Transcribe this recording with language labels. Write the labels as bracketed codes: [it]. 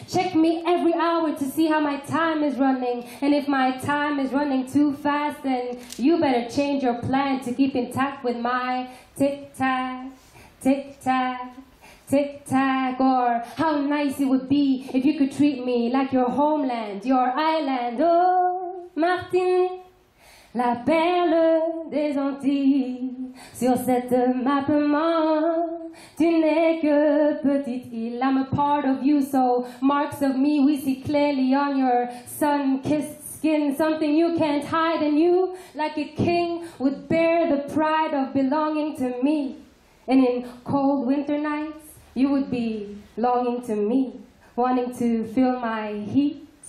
[en] Check me every hour to see how my time is running. And if my time is running too fast, then you better change your plan to keep intact with my tic-tac, tic-tac, tic-tac. Or how nice it would be if you could treat me like your homeland, your island. Oh, Martinique. [fr] La perle des Antilles, sur cette map monde, tu n'es que petite île. [en] I'm a part of you, so marks of me we see clearly on your sun-kissed skin. Something you can't hide, and you, like a king, would bear the pride of belonging to me. And in cold winter nights, you would be longing to me, wanting to feel my heat.